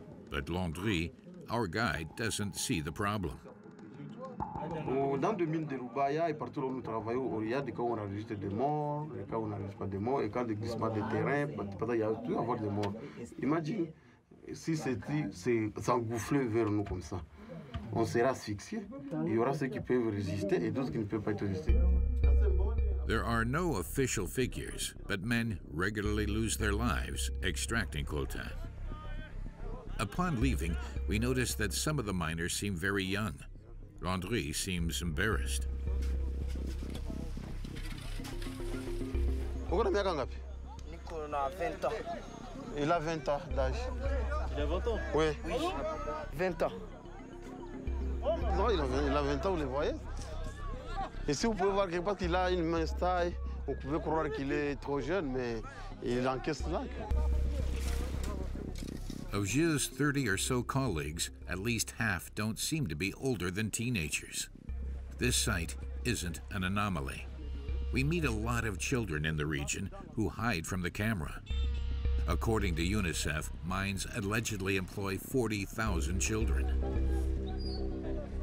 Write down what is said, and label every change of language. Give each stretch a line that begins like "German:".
English: But Landry, our guide, doesn't see the problem.
French: Dans les mines de Rubaya et partout où nous travaillons, il y a des cas où on enregistre des morts, des cas où on n'enregistre pas des morts, et quand des glissements de terrain, il y a tout à voir des morts. Imagine si c'est engouffré vers nous comme ça. On sera asphyxié. Il y aura ceux qui peuvent résister et d'autres qui ne peuvent pas résister.
English: There are no official figures, but men regularly lose their lives extracting coltan. Upon leaving, we notice that some of the miners seem very young. Landry seems embarrassed. How old are you? I'm 20. He's 20 years old. He's 20? Yes. 20 years old. No, he's 20 years old.
French: Et si vous pouvez voir quelque part qu'il a une mince taille, vous pouvez croire qu'il est trop jeune, mais il encaisse là.
English: Of Gilles' 30 or so colleagues, at least half don't seem to be older than teenagers. This site isn't an anomaly. We meet a lot of children in the region who hide from the camera. According to UNICEF, mines allegedly employ 40,000 children.